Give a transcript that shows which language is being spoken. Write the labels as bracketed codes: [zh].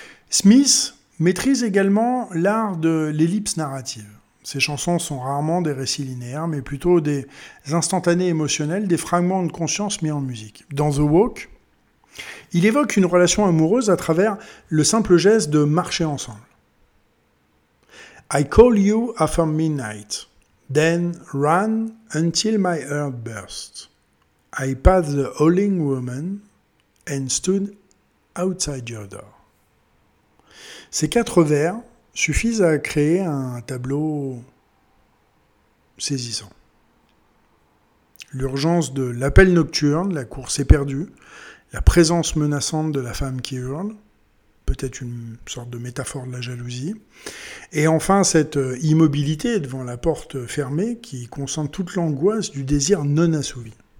[fr] Smith maîtrise également l'art de l'ellipse narrative, Ces chansons sont rarement des récits linéaires, mais plutôt des instantanés émotionnels, des fragments de conscience mis en musique. Dans The Walk, il évoque une relation amoureuse à travers le simple geste de marcher ensemble. [en] I call you after midnight, then run until my heart burst. I passed the howling woman and stood outside your door. [fr] Ces quatre vers suffisent à créer un tableau saisissant. L'urgence de l'appel nocturne, la course éperdue, la présence menaçante de la femme qui hurle, peut-être une sorte de métaphore de la jalousie, et enfin cette immobilité devant la porte fermée qui concentre toute l'angoisse du désir non assouvi.